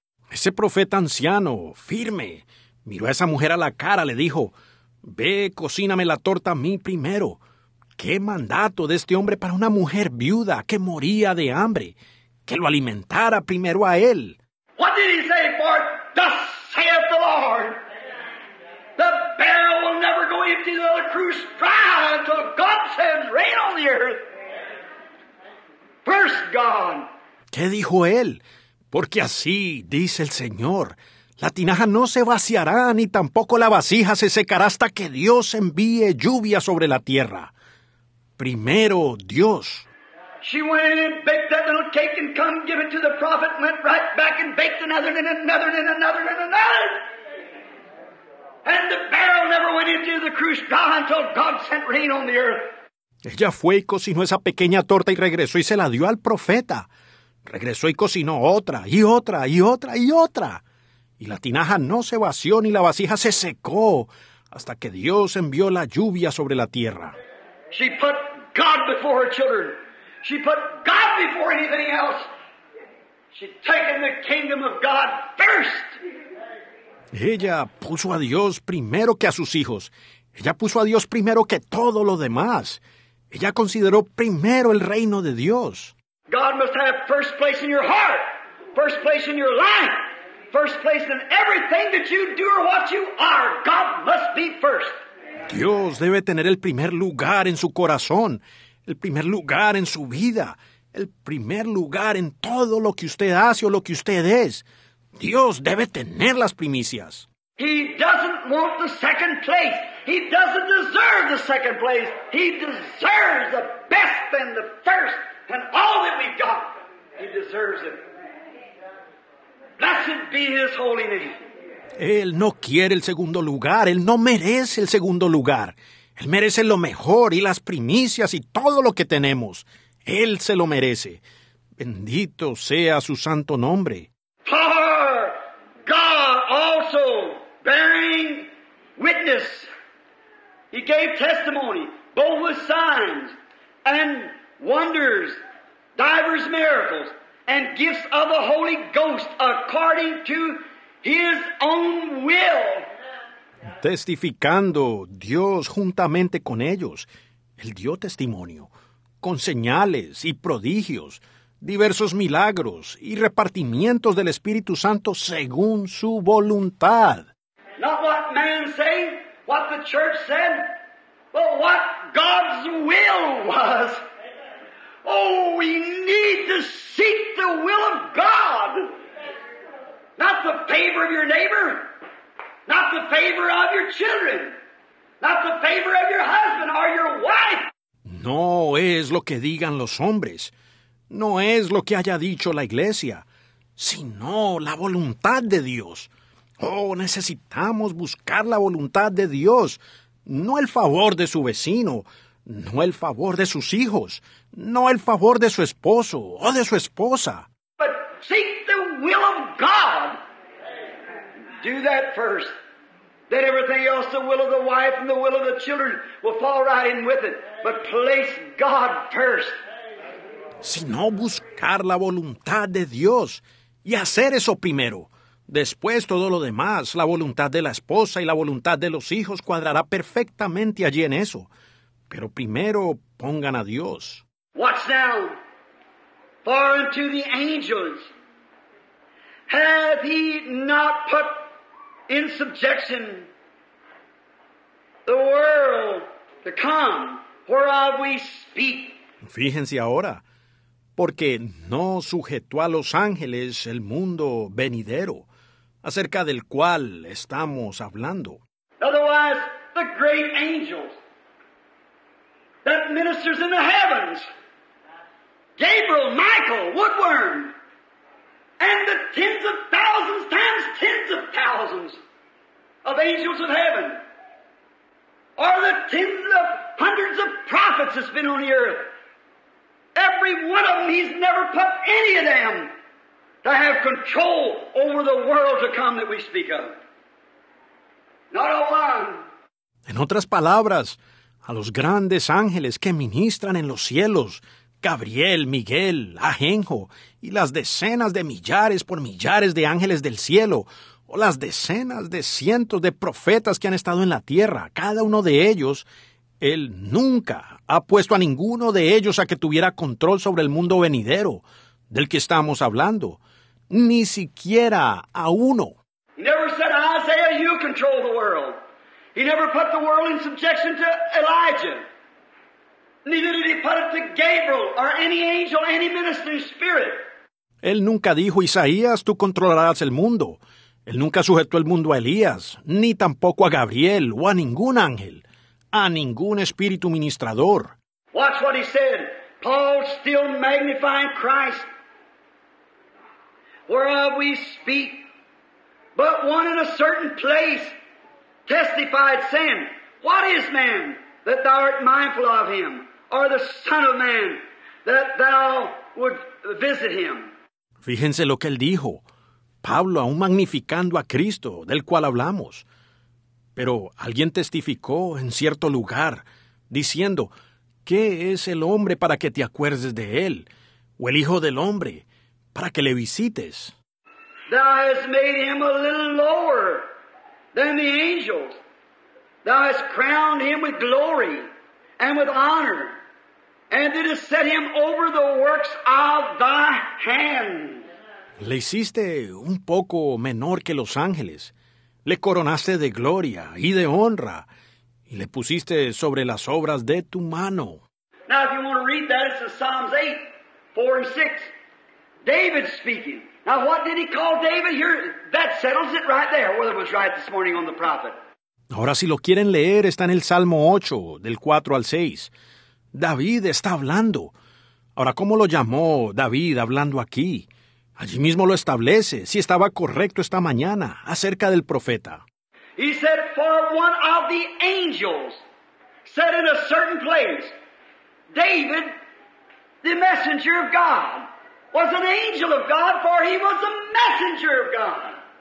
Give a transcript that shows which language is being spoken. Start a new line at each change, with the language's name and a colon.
Spanish: Ese profeta anciano, firme, miró a esa mujer a la cara, le dijo, ve, cocíname la torta a mí primero. ¿Qué mandato de este hombre para una mujer viuda que moría de hambre? Que lo alimentara primero a él.
English: What did he say? For thus saith the Lord, the barrel will never go empty, though the cruse dry until God sends rain on the earth. First God.
Spanish: ¿Qué dijo él? Porque así, dice el Señor, la tinaja no se vaciará ni tampoco la vasija se secará hasta que Dios envíe lluvia sobre la tierra. Primero, Dios.
English: She went in and baked that little cake and come give it to the prophet and went right back and baked another and another and another and another. And the barrel never went into the cruse dry until God sent rain on the earth.
Spanish: Ella fue y cocinó esa pequeña torta y regresó y se la dio al profeta. Regresó y cocinó otra, y otra, y otra, y otra. Y la tinaja no se vació ni la vasija se secó hasta que Dios envió la lluvia sobre la tierra.
English: She put God before her children. She put God before anything else. She'd taken the kingdom of God first.
Spanish: Ella puso a Dios primero que a sus hijos. Ella puso a Dios primero que todo lo demás. Ella consideró primero el reino de Dios.
English: God must have first place in your heart, first place in your life, first place in everything that you do or what you are. God must be first.
Spanish: Dios debe tener el primer lugar en su corazón, el primer lugar en su vida, el primer lugar en todo lo que usted hace o lo que usted es. Dios debe tener las primicias.
English: He doesn't want the second place. He doesn't deserve the second place. He deserves the best and the first and all that we've got. He deserves it. Blessed be his holy name.
Spanish: Él no quiere el segundo lugar. Él no merece el segundo lugar. Él merece lo mejor y las primicias y todo lo que tenemos. Él se lo merece. Bendito sea su santo nombre.
English: For God also bearing witness. He gave testimony, both with signs and wonders, divers miracles, and gifts of the Holy Ghost according to His own will.
Spanish: Testificando Dios juntamente con ellos, Él dio testimonio, con señales y prodigios, diversos milagros y repartimientos del Espíritu Santo según su voluntad.
English: Not what man said, what the church said, but what God's will was. Oh, we need to seek the will of God. Not the favor of your neighbor, not the favor of your children, not the favor of your husband or your wife.
Spanish: No es lo que digan los hombres, no es lo que haya dicho la iglesia, sino la voluntad de Dios. Oh, necesitamos buscar la voluntad de Dios, no el favor de su vecino, no el favor de sus hijos, no el favor de su esposo o de su esposa.
English: But seek the will of God. Do that first. Then everything else, the will of the wife and the will of the children, will fall right in with it. But place God first.
Spanish: Sino buscar la voluntad de Dios y hacer eso primero. Después todo lo demás, la voluntad de la esposa y la voluntad de los hijos cuadrará perfectamente allí en eso. Pero primero pongan a Dios.
English: Watch now. For unto the angels hath he not put in subjection the world to come, whereof we speak.
Spanish: Fíjense ahora, porque no sujetó a los ángeles el mundo venidero, acerca del cual estamos hablando.
English: Otherwise, the great angels that ministers in the heavens, Gabriel, Michael, Woodworm, and the tens of thousands times tens of thousands of angels of heaven, or the tens of hundreds of prophets that's been on the earth. Every one of them, he's never put any of them to have control over the world to come that we speak of. Not a one.
Spanish: En otras palabras, a los grandes ángeles que ministran en los cielos, Gabriel, Miguel, Ajenjo, y las decenas de millares por millares de ángeles del cielo, o las decenas de cientos de profetas que han estado en la tierra, cada uno de ellos, Él nunca ha puesto a ninguno de ellos a que tuviera control sobre el mundo venidero del que estamos hablando, ni siquiera a uno.
English: He never said, Isaiah, you control the world. He never put the world in subjection to Elijah. Neither did he put it to Gabriel or any angel, any ministering spirit.
Spanish: Él nunca dijo, Isaías, tú controlarás el mundo. Él nunca sujetó el mundo a Elías, ni tampoco a Gabriel o a ningún ángel, a ningún espíritu ministrador.
English: Watch what he said. Paul still magnifying Christ. Whereof we speak, but one in a certain place testified sin. What is man that thou art mindful of him, or the son of man that thou would visit him?
Spanish: Fíjense lo que él dijo, Pablo, aún magnificando a Cristo, del cual hablamos. Pero alguien testificó en cierto lugar, diciendo, ¿qué es el hombre para que te acuerdes de él, o el hijo del hombre, para que le visites?
English: Thou hast made him a little lower than the angels. Thou hast crowned him with glory and with honor, and didst set him over the works of thy hand.
Spanish: Le hiciste un poco menor que los ángeles, le coronaste de gloria y de honra, y le pusiste sobre las obras de tu mano.
English: Now, if you want to read that, it's in Psalms 8, 4 and 6. David's speaking. Now, what did he call David here? That settles it right there, whether it was right this morning on the prophet.
Spanish: Ahora, si lo quieren leer, está en el Salmo 8, del 4 al 6. David está hablando. Ahora, ¿cómo lo llamó David hablando aquí? Allí mismo lo establece, si estaba correcto esta mañana, acerca del profeta.
English: He said, for one of the angels said in a certain place, David, the messenger of God, was an angel of God, for he was a messenger of God.